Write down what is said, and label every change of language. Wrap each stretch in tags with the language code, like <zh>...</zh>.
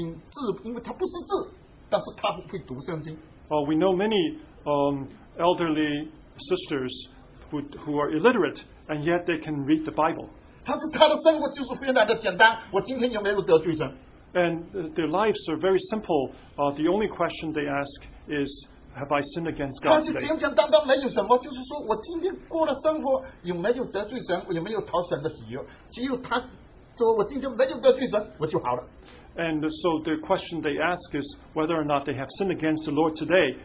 <zh>我看见有好多老姐妹，她圣经字，因为她不识字，但是她会读圣经。</zh> <en>Well, we know many elderly sisters who are illiterate, and yet they can read the Bible.</en> <zh>但是她的生活就是非常的简单，我今天有没有得罪神？</zh> <en>And their lives are very simple. The only question they ask is, have I sinned against God today?</en> <zh>只有他说我今天没有得罪神,</zh> <en>and so the question they ask is whether or not they have sinned against the Lord today.</en>